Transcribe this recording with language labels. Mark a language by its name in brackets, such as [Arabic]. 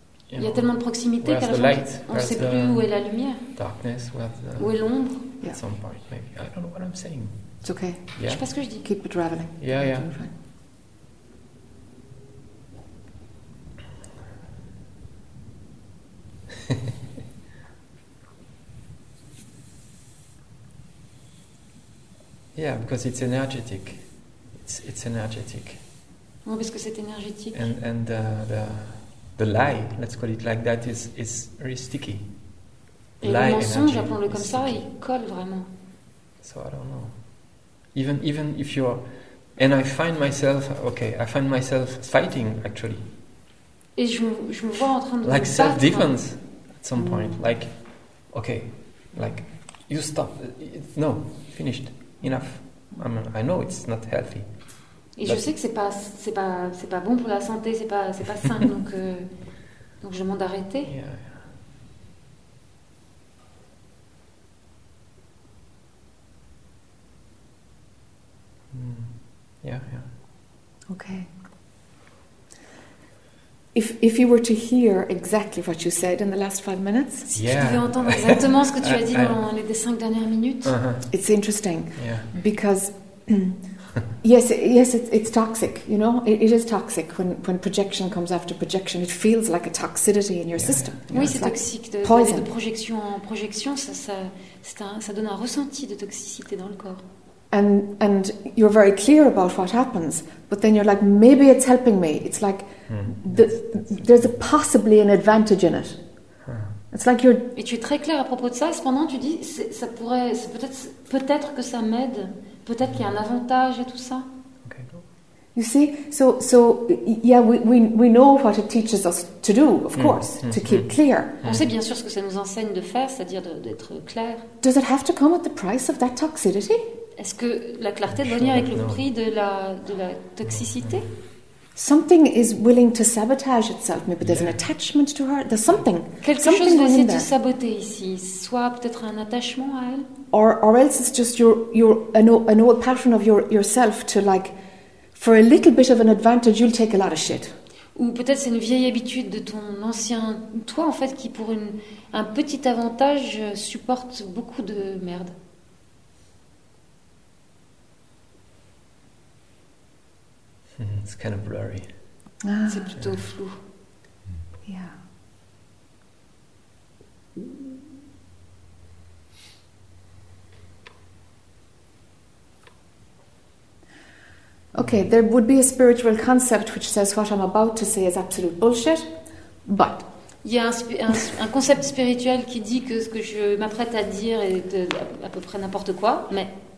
[French] Il y a tellement de proximité qu'à la fin, on ne sait plus où est la lumière. [English] Darkness, [French] où est l'ombre. [English] At some point, maybe. I don't know what I'm saying. It's okay. Yeah. [French] Je sais pas ce que je dis. [English] Keep it traveling. Yeah, yeah. Yeah, because it's energetic. It's energetic. [French] Oui, parce que c'est énergétique. [English] And the lie, let's call it like that, is really sticky. [French] Et le mensonge, appelons-le comme ça, il colle vraiment. [English] So I don't know. Even if you're, and I find myself, okay, I find myself fighting actually. [French] Et je me vois en train de. [English] Like self-defense, at some point, like, okay, like, you stop, no, finished, enough. I mean, I know it's not healthy. [French] Et je sais que c'est pas bon pour la santé, c'est pas sain, donc je demande d'arrêter. [English] Yeah. Yeah. Okay. If you were to hear exactly what you said in the last 5 minutes, it's interesting. Yeah. Because yes, it's toxic. You know, it is toxic when projection comes after projection. It feels like a toxicity in your system. Yeah. [French] Oui, c'est toxique de poison. De projection en projection. Ça donne un ressenti de toxicité dans le corps. [English] And you're very clear about what happens, but then you're like, maybe it's helping me. It's like there's a possibly an advantage in it. It's like you're. [French] Et tu es très clair à propos de ça. Cependant, tu dis ça pourrait, c'est peut-être que ça m'aide. Peut-être qu'il y a un avantage et tout ça. [English] You see, so yeah, we know what it teaches us to do, of course, to keep clear. [French] On sait bien sûr ce que ça nous enseigne de faire, c'est-à-dire d'être clair. [English] Does it have to come at the price of that toxicity? [French] Est-ce que la clarté doit venir avec le prix de la toxicité? [English] Something is willing to sabotage itself. Maybe there's an attachment to her. There's something. [French] Quelque [English] something [French] chose va essayer de saboter ici. Soit peut-être un attachement à elle. [English] Or else it's just an old pattern of yourself to like, for a little bit of an advantage, you'll take a lot of shit. [French] Ou peut-être c'est une vieille habitude de ton ancien toi en fait qui pour un petit avantage supporte beaucoup de merde. [English] It's kind of blurry. [French] Ah, c'est plutôt flou. [English] Yeah. Okay, there would be a spiritual concept which says what I'm about to say is absolute bullshit, but... [French] Il y a un concept spirituel qui dit que ce que je m'apprête à dire est à peu près n'importe quoi, mais...